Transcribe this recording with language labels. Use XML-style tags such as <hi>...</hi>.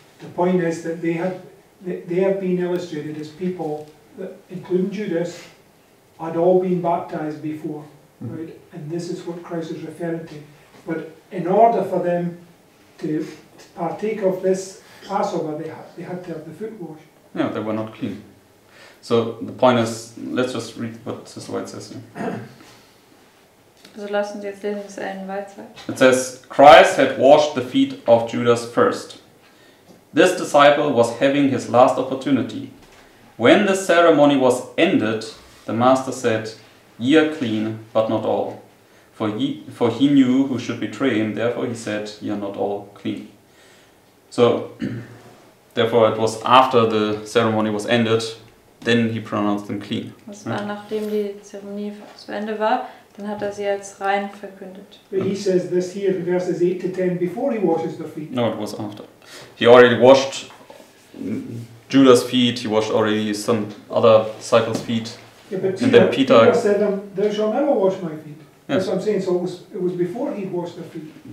<en>The point is that they have been illustrated as people, that, including Judas, had all been baptized before. Mm-hmm. Right? And this is what Christ is referring to. But in order for them to partake of this Passover, they had to have the foot washed. Yeah, they were not clean. So the point is, let's just read what this word says here.</en> <de>So lass uns jetzt lesen, was Ellen White sagt.</de> <en>It says, Christ had washed the feet of Judas first. This disciple was having his last opportunity. When the ceremony was ended, the master said, ye are clean, but not all. For he knew who should betray him, therefore he said, ye are not all clean. So, therefore it was after the ceremony was ended, then he pronounced them clean.</en> <de>Das war right? Nachdem die Zeremonie zu Ende war, dann hat sie als rein verkündet.</de> <en>But he says this here in verses 8 to 10 before he washes the feet. No, it was after. He already washed Judas' feet, he washed already some other disciples' feet. Yeah, but and then Peter said, thou shalt never wash my feet. Yeah. That's what I'm saying, so it was before he washed the feet.</en>